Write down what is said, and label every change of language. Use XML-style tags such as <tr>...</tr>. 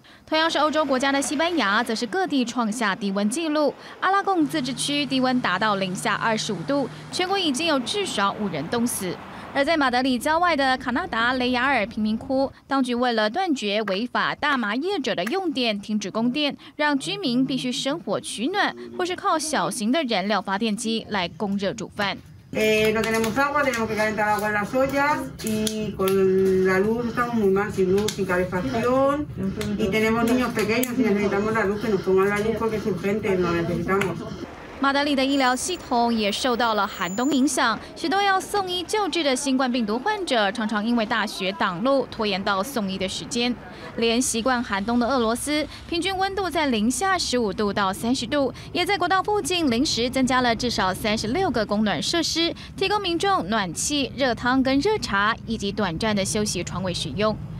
<zh>同样是欧洲国家的西班牙则是各地创下低温纪录，阿拉贡自治区低温达到-25度，全国已经有至少5人冻死。而在马德里郊外的卡纳达雷亚尔贫民窟，当局为了断绝违法大麻业者的用电，停止供电，让居民必须生火取暖或是靠小型的燃料发电机来供热煮饭。</zh> <es>No tenemos agua, tenemos que calentar agua en las ollas y con la luz estamos muy mal, sin luz, sin calefacción y tenemos niños pequeños y necesitamos la luz, que nos pongan la luz porque es urgente, lo necesitamos.</es> <zh>马德里的医疗系统也受到了寒冬影响，许多要送医救治的新冠病毒患者常常因为大雪挡路拖延到送医的时间。连习惯寒冬的俄罗斯，平均温度在-15度到-30度，也在国道附近临时增加了至少36个供暖设施，提供民众暖气、热汤跟热茶，以及短暂的休息床位使用。</zh>